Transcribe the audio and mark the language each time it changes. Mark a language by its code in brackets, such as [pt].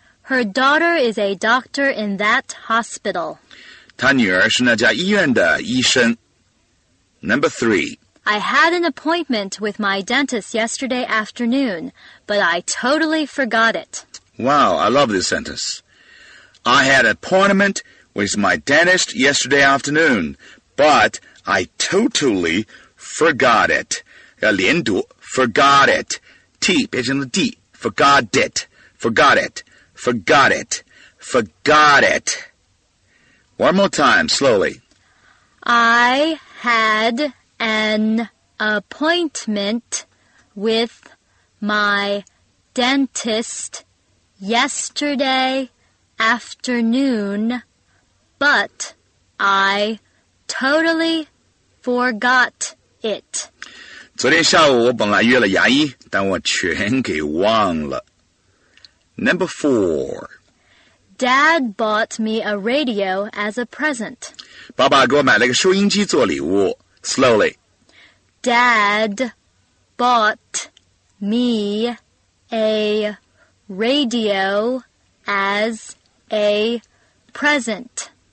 [en] Her daughter is a doctor in that hospital. [zh] 她女儿是那家医院的医生。 [en] Number three. I had an appointment with my dentist yesterday afternoon, but I totally forgot it. Wow, I love this sentence. I had an appointment with my dentist yesterday afternoon, but I totally forgot it. [zh] 要连读 [en] forgot it T [zh] 变成了 [en] D forgot it forgot it forgot it forgot it one more time slowly I had an appointment with my dentist yesterday afternoon but I totally forgot it [zh] 昨天下午我本来约了牙医，但我全给忘了。 [en] Number four. Dad bought me a radio as a present. [zh] 爸爸给我买了个收音机做礼物。 [en] Slowly. Dad bought me a radio as a present.